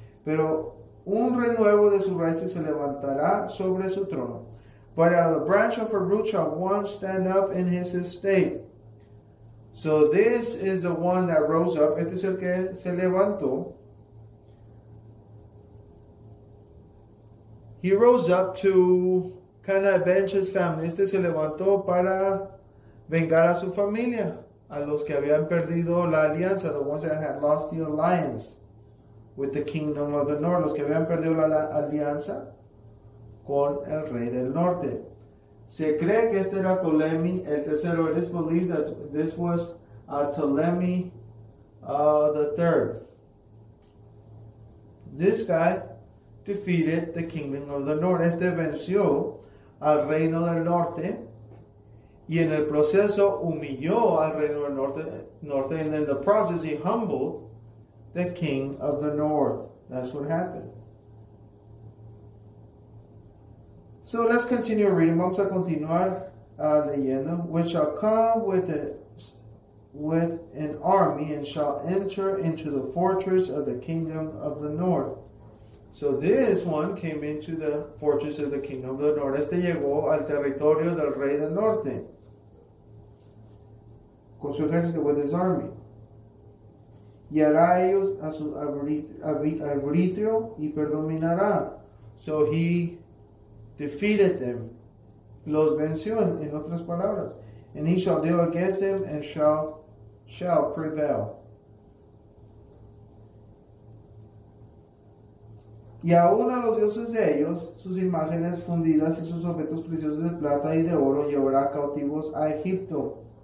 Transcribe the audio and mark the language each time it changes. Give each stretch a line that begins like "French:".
Spanish: Pero un renuevo de sus raíces se levantará sobre su trono.
English: But out of the branch of a root shall one stand up in his estate. So this is the one that rose up.
Spanish: Este es el que se levantó.
English: He rose up to kind of avenge his family.
Spanish: Este se levantó para vengar a su familia. A los que habían perdido la alianza.
English: The ones that had lost the alliance with the kingdom of the north.
Spanish: Los que habían perdido la alianza con el rey del norte. Se cree que este era Ptolemy el tercero.
English: It is believed that this was Ptolemy the third. This guy defeated the kingdom of the north.
Spanish: Este venció al reino del norte. Y en el proceso humilló al reino del norte.
English: And in the process he humbled the king of the north. That's what happened. So let's continue reading.
Spanish: Vamos a continuar leyendo.
English: Which shall come with an army and shall enter into the fortress of the kingdom of the north. So this one came into the fortress of the kingdom of the north.
Spanish: Este llegó al territorio del rey del norte. Con su ejército,
English: with his army.
Spanish: Y hará ellos a su arbitrio y predominará.
English: So he defeated them.
Spanish: Los venció, en otras palabras.
English: And he shall deal against them and shall prevail.
Spanish: Y aun a los dioses de ellos, sus imágenes fundidas y sus objetos preciosos de plata y de oro, llevará cautivos a Egipto.